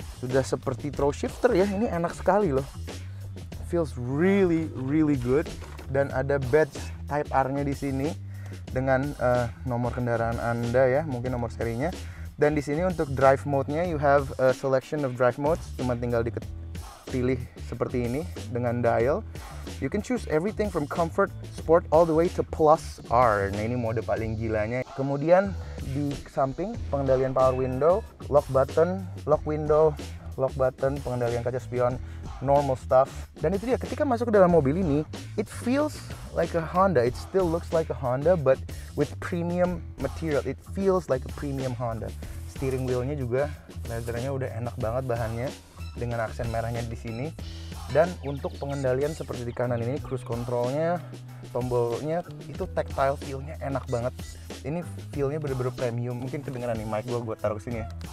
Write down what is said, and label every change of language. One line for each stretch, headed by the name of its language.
Indonesian: Sudah seperti throw shifter ya. Ini enak sekali loh. Feels really really good. Dan ada badge Type R-nya di sini dengan nomor kendaraan Anda ya, mungkin nomor serinya.
English: Dan di sini untuk drive mode-nya, you have a selection of drive modes.
Indonesian: Cuma tinggal pilih seperti ini dengan dial.
English: You can choose everything from comfort, sport, all the way to plus R.
Indonesian: Nah ini mode paling gilanya. Kemudian di samping pengendalian power window, lock button, lock window, lock button, pengendalian kaca spion, normal stuff. Dan itu dia, ketika masuk ke dalam mobil ini, it feels like a Honda.
English: It still looks like a Honda, but with premium material. It feels like a premium Honda.
Indonesian: Steering wheelnya juga, leathernya udah enak banget bahannya. Dengan aksen merahnya di sini. Dan untuk pengendalian seperti di kanan ini, cruise control-nya, tombolnya, itu tactile feel-nya enak banget. Ini feel-nya bener-bener premium. Mungkin kedengeran nih mic gue taruh kesini ya.